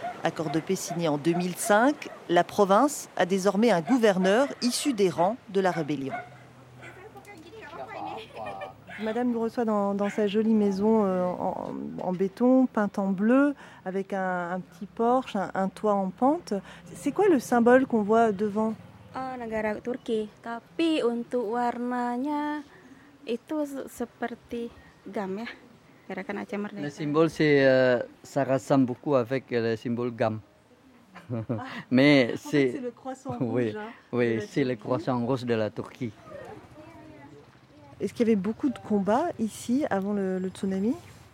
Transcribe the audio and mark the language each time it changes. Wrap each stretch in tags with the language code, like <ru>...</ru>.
<fr>Accord de paix signé en 2005, la province a désormais un gouverneur issu des rangs de la rébellion. Madame nous reçoit dans sa jolie maison en béton, peinte en bleu, avec un petit porche, un toit en pente. C'est quoi le symbole qu'on voit devant ?</fr> <id>Negara Turki, tapi untuk warnanya itu seperti GAM ya.</id> <fr>Le symbole, c'est, ça ressemble beaucoup avec le symbole GAM. Mais c'est, en fait, c'est le croissant rouge. Oui, c'est le croissant rouge de la Turquie. Est-ce qu'il y avait beaucoup de combats ici avant le tsunami ?</fr>